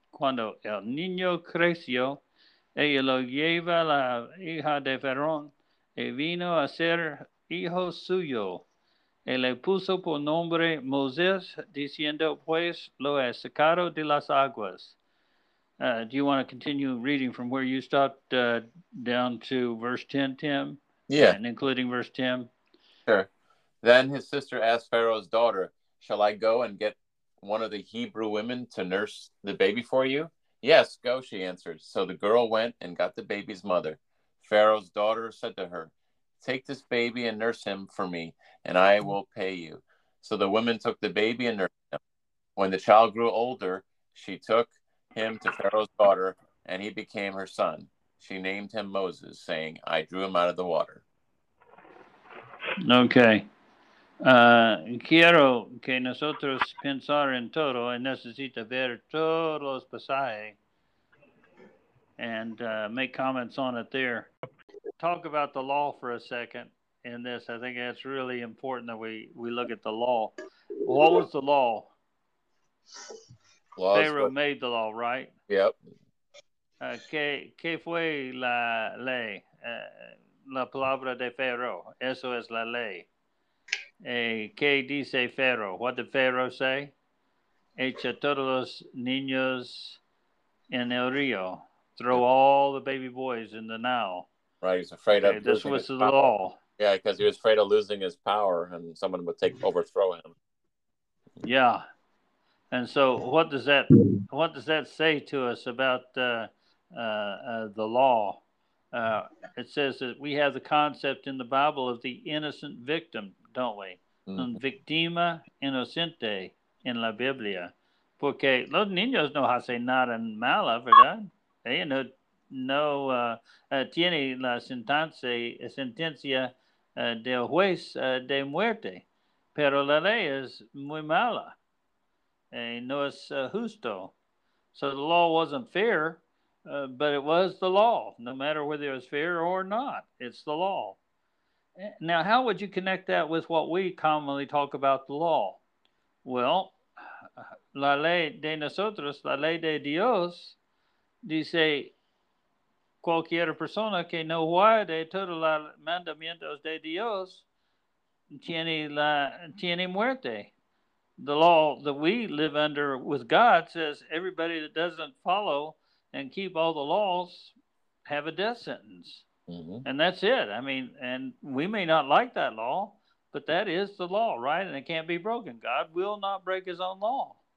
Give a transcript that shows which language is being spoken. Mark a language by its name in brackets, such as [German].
[Spanish] Cuando el niño creció, ella lo lleva a la hija de Ferón y vino a ser hijo suyo. Y le puso por nombre Moisés, diciendo, pues lo he sacado de las aguas. [English] Do you want to continue reading from where you stopped down to verse 10, Tim? Yeah. And including verse 10? Sure. Then his sister asked Pharaoh's daughter, shall I go and get one of the Hebrew women to nurse the baby for you? Yes, go, she answered. So the girl went and got the baby's mother. Pharaoh's daughter said to her, take this baby and nurse him for me, and I will pay you. So the woman took the baby and nursed him. When the child grew older, she took him to Pharaoh's daughter, and he became her son. She named him Moses, saying, I drew him out of the water. Okay. [Spanish] Quiero que nosotros pensar en todo y necesita ver todos los pasajes [English] and make comments on it there. Talk about the law for a second in this. I think it's really important that we look at the law. What was the law? Laws, Pharaoh made the law, right? Yep. [Spanish] ¿Qué fue la ley? La palabra de Pharaoh. Eso es la ley. ¿Qué dice Pharaoh? [English] What did Pharaoh say? [Spanish] Echa todos los niños en el río. [English] Throw all the baby boys in the Nile. Right, he's afraid of this was the law. Yeah, because he was afraid of losing his power and someone would take overthrow him. Yeah. And so what does that say to us about the law? It says that we have the concept in the Bible of the innocent victim. don't we? Mm-hmm. [Spanish] Un victima inocente en la Biblia. Porque los niños no hacen nada malo, ¿verdad? Ellos no, tienen la sentencia del juez de muerte. Pero la ley es muy mala. No es justo. [English] So the law wasn't fair, but it was the law, no matter whether it was fair or not. It's the law. Now, how would you connect that with what we commonly talk about the law? [Spanish] Well, la ley de nosotros, la ley de Dios, dice cualquier persona que no guarde todos los mandamientos de Dios tiene muerte. [English] The law that we live under with God says everybody that doesn't follow and keep all the laws have a death sentence. Mm-hmm. And that's it. I mean, and we may not like that law, but that is the law, right? And it can't be broken. God will not break his own law.